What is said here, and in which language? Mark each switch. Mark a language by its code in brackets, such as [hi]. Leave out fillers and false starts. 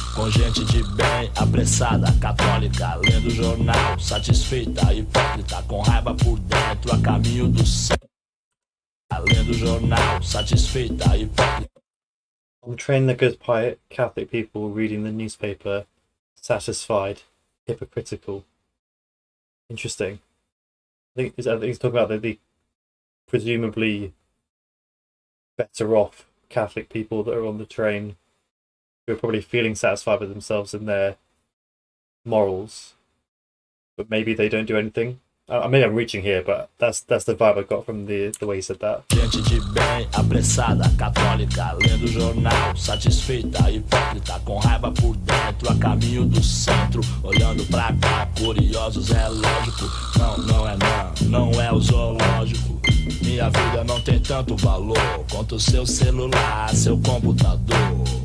[pt] Com gente de bem, apressada, católica, lendo jornal, satisfeita, hipócrita, com raiva por dentro, a caminho do céu. Lendo jornal, satisfeita, hipócrita. [en] On the train that goes by, Catholic people reading the newspaper, satisfied, hypocritical. Interesting. I think he's talking about the presumably better off Catholic people that are on the train, who are probably feeling satisfied with themselves and their morals, but maybe they don't do anything. Maybe I'm reaching here, but that's the vibe I got from the way he said that. [pt] Gente de bem, apressada, católica, lendo jornal, satisfeita, hipócrita, com raiva por dentro, a caminho do centro, olhando pra cá, curiosos, é lógico. Não é o zoológico. Minha vida não tem tanto valor quanto o seu celular, seu computador.